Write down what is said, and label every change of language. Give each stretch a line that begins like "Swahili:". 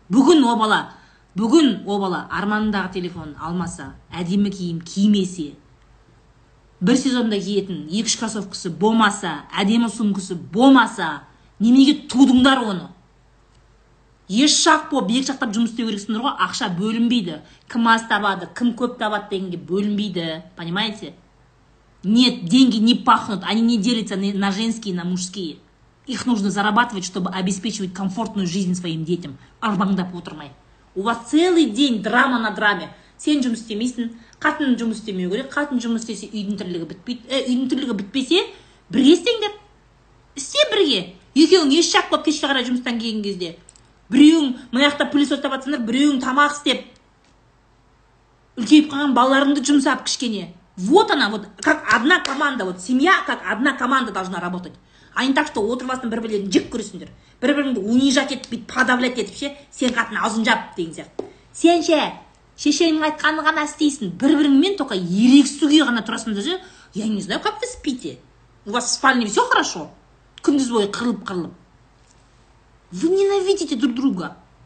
Kazakh: Бүгін ол бала арманындағы телефонын алмаса, әдемі киім кимесе, бір сезонда киетін екі кроссовкасы болмаса, әдемі сумкасы болмаса, немеге тудыңдар оны? Еш шақ болып, екі жақтап жұмыс істеу керексіңдер ғой, ақша бөлінбейді. Кім аз табады, кім көп табады дегенге бөлінбейді.
Russian: Понимаете? Нет, деньги не пахнут, они не делятся на женские, на мужские. Их нужно зарабатывать, чтобы обеспечивать комфортную жизнь своим детям.
Kazakh: Арбаңдап отырмай.
Russian: У вас целый день драма на драме.
Kazakh: Сен жұмыс істемейсің, қатын жұмыс істемеу керек, қатын жұмыс істесе үйдің тірлігі бітпейді. Үйдің тірлігі бітпесе, бірге істеңдер. Істе бірге. Екеуің еш шақ болып, кешке қарай жұмыстан келген кезде. Біреуің мынаяқта пылесос табатсыңдар, біреуің тамақ істеп, үлкейіп қалған балаларыңды жұмсап кішкене.
Russian: Вот она, вот как одна команда, вот семья как одна команда должна работать. А не так, что
Kazakh: отырып астын бір-бірлерін жек көресіңдер. Бір-біріңді унижать етіп, подавлять етіп ше, сен қатын аузын жап деген сияқты. Сен ше, шешенің айтқаны ғана істейсің, бір-біріңмен тока ерегісуге ғана тұрасыңдар же,
Russian: я не знаю, как вы спите. У вас в спальне все хорошо?
Kazakh: Күндіз бойы қырылып-қырылып.
Russian: Вы ненавидите друг друга.